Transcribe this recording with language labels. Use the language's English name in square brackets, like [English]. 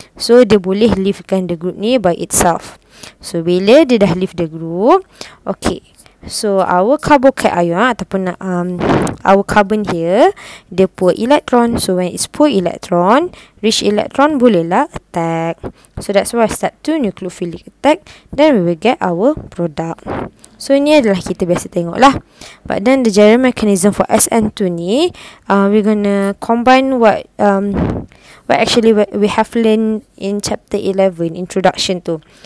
[English] So dia boleh leavekan the group ni by itself. So [Malay] bila dia dah [English] leave the group, okay, so our carbocation ataupun our carbon here, dia poor electron. So when it's poor electron, rich electron bolehlah attack. So that's why step 2 nucleophilic attack, then we will get our product. [Malay] So ini adalah kita biasa tengok lah. [English] But then the general mechanism for SN2 ni, we're gonna combine what actually we have learned in chapter 11 introduction tu.